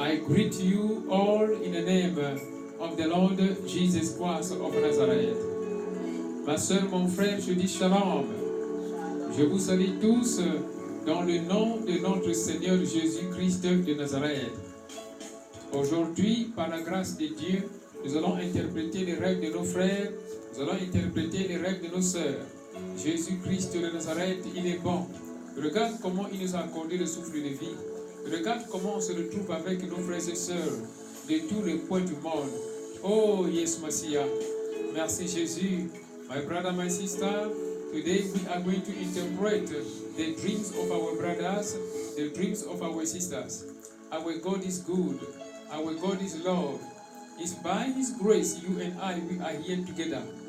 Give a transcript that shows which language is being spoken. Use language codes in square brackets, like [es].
[en] I greet you all in the name of the Lord Jesus Christ of Nazareth. [fr] Ma soeur, mon frère, je dis shalom. Je vous salue tous dans le nom de notre Seigneur Jésus-Christ de Nazareth. Aujourd'hui, par la grâce de Dieu, nous allons interpréter les rêves de nos frères, nous allons interpréter les rêves de nos sœurs. Jésus-Christ de Nazareth, il est bon. Regarde comment il nous a accordé le souffle de vie. Regarde comment on se retrouve avec nos frères et sœurs de tous les points du monde. [en] Oh, yes, Messiah. [fr] Merci, Jésus. [en] My brother, my sister, today we are going to interpret the dreams of our brothers, the dreams of our sisters. Our God is good. Our God is love. It's by His grace, you and I, we are here together.